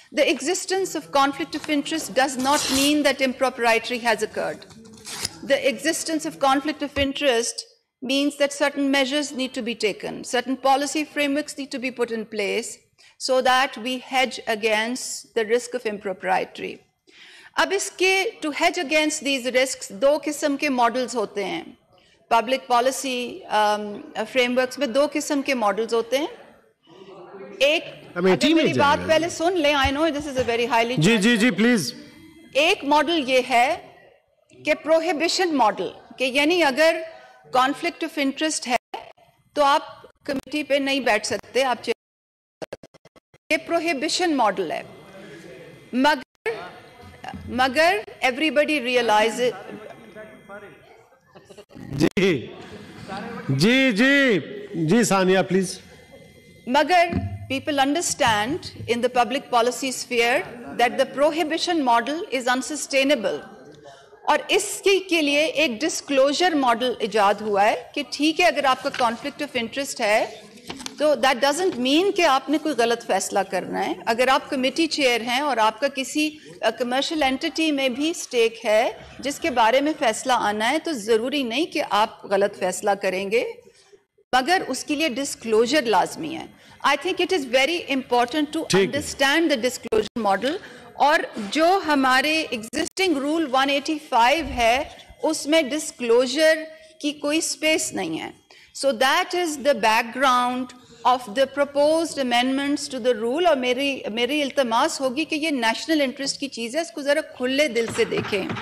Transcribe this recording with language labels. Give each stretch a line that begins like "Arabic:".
English: The existence of conflict of interest does not mean that impropriety has occurred. The existence of conflict of interest means that certain measures need to be taken, certain policy frameworks need to be put in place so that we hedge against the risk of impropriety.
Urdu: Ab iske
English: to hedge against these risks
Urdu: do kism ke models hote hain. Public policy frame works میں دو قسم کے models ہوتے ہیں. ایک، میری بات پہلے سن لیں،
English: I know this is a very highly,
Urdu: جی please. ایک ماڈل یہ ہے کہ پروہیبیشن ماڈل، کہ یعنی اگر کانفلکٹ آف انٹرسٹ ہے تو آپ کمیٹی پہ نہیں بیٹھ سکتے، آپ یہ پروہیبیشن ماڈل ہے.
English: مگر everybody realize,
Urdu: جی Sania please,
English: مگر people understand in the public policy sphere that the prohibition model is unsustainable.
Urdu: اور اس کے لیے ایک ڈسکلوجر ماڈل ایجاد ہوا ہے کہ ٹھیک ہے، اگر آپ کا کانفلکٹ آف انٹرسٹ ہے تو
English: that doesn't mean
Urdu: کہ آپ نے کوئی غلط فیصلہ کرنا ہے. اگر آپ کمیٹی چیئر ہیں اور آپ کا کسی کمرشل اینٹیٹی میں بھی اسٹیک ہے جس کے بارے میں فیصلہ آنا ہے, تو ضروری نہیں کہ آپ غلط فیصلہ کریں گے, مگر اس کے لیے ڈسکلوجر لازمی ہے.
English: I think it is very important to understand the disclosure model,
Urdu: اور جو ہمارے ایگزسٹنگ رول 185 ہے اس میں ڈسکلوجر کی کوئی اسپیس نہیں ہے.
English: So that is the background of the proposed amendments to the rule.
Urdu: اور میری التماس ہوگی کہ یہ نیشنل انٹرسٹ کی چیز ہے, اس کو ذرا کھلے دل سے دیکھیں.